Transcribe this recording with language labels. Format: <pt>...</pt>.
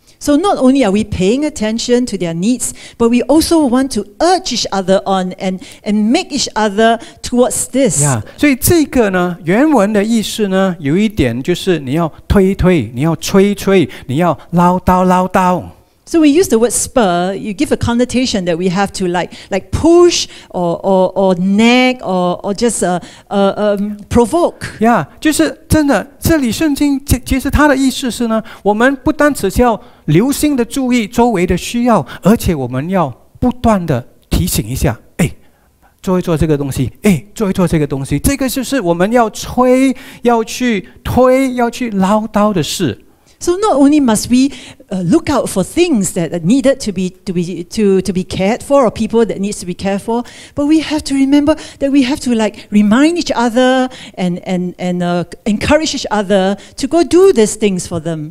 <en>So not only are we paying attention to their needs, but we also want to urge each other on and make each other towards this.</en> <zh>Yeah, 所以这个呢，原文的意思呢，有一点就是你要推推，你要催催，你要唠叨唠叨。</zh> <en>So we use the word spur, you give a connotation that we have to like push or nag or just provoke.</en> <zh>Yeah, 就是真的，这里圣经其实它的意思是呢，我们不单只是要留心的注意周围的需要，而且我们要不断的提醒一下，哎，做一做这个东西，哎，做一做这个东西，这个就是我们要催、要去推、要去唠叨的事。</zh> <en>So not only must we look out for things that are needed to be cared for or people that needs to be cared for, but we have to remember that we have to like remind each other and encourage each other to go do these things for them.</en>